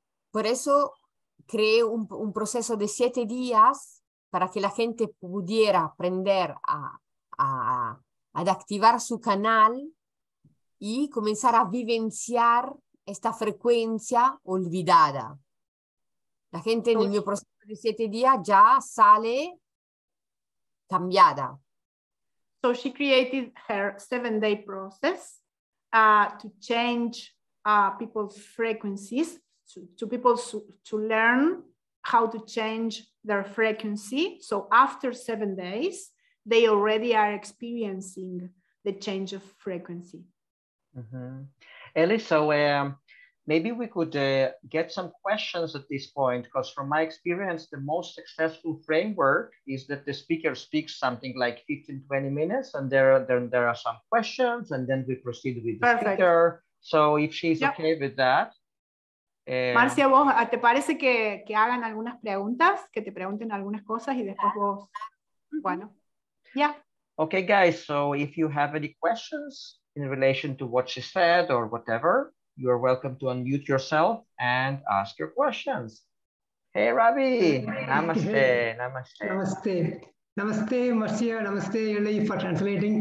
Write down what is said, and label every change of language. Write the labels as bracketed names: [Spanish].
[Spanish] Por eso creé un proceso de 7 días para que la gente pudiera aprender ad activar su canal y comenzar a vivenciar esta frecuencia olvidada. La gente en el mio proceso de 7 días ya sale cambiada. [English] So she created her 7-day process to change people's frequencies, to people to learn how to change their frequency. So after 7 days, they already are experiencing the change of frequency. Mm-hmm. Ellie, so maybe we could get some questions at this point, because from my experience, the most successful framework is that the speaker speaks something like 15, 20 minutes, and there are some questions, and then we proceed with the Perfect. Speaker. So if she's yep. okay with that. [Spanish] Marcia, ¿vos te parece que hagan algunas preguntas, que te pregunten algunas cosas y después vos, bueno, yeah. [English] Okay, guys, so if you have any questions in relation to what she said or whatever, you are welcome to unmute yourself and ask your questions. Hey, Ravi, namaste, namaste. Namaste, namaste, Marcia, namaste, Eli, for translating.